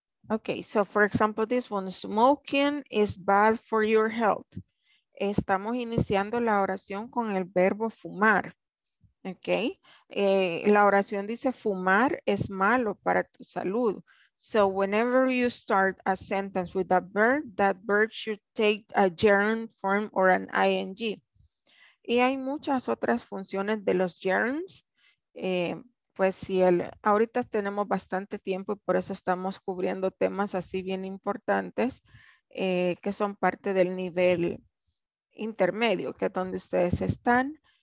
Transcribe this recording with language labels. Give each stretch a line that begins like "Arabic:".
English: Okay, so for example, this one, smoking is bad for your health.
Spanish: Estamos iniciando la oración con el verbo fumar. Okay, la oración dice fumar es malo para tu salud.
English: So whenever you start a sentence with a verb, that verb should take a gerund form or an ing.
Spanish: Y hay muchas otras funciones de los gerunds. Pues si el, ahorita tenemos bastante tiempo y por eso estamos cubriendo temas así bien importantes que son parte del nivel intermedio, que es donde ustedes están.